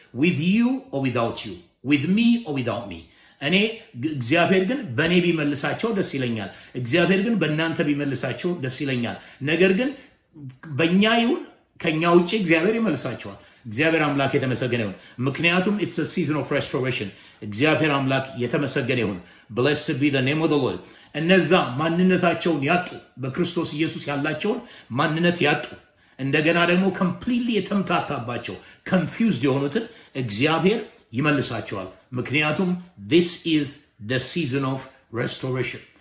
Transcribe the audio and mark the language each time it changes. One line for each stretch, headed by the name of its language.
English: With you or without you. With me or without me.
Amharic: እኔ እግዚአብሔር ግን በኔ ቢመልሳቸው ደስ ይለኛል። እግዚአብሔር ግን በእናንተ ቢመልሳቸው ደስ ይለኛል። ነገር ግን በእኛ ይሁን ከኛ ውጪ እግዚአብሔር ይመልሳቸዋል። እግዚአብሔር አምላክ የተመሰገነ ይሁን። ምክንያቱም
English: it's a season of restoration.
Amharic: እግዚአብሔር አምላክ የተመሰገነ ይሁን።
English: Blessed be the name of the Lord.
Amharic: እነዛ ማንነታቸውን ያጡ በክርስቶስ ኢየሱስ ያላቸውን ማንነት ያጡ እንደገና ደግሞ completely የተምታታባቸው confused የሆኑትን እግዚአብሔር ይመልሳቸዋል። ምክንያቱም
English: this is the season of restoration.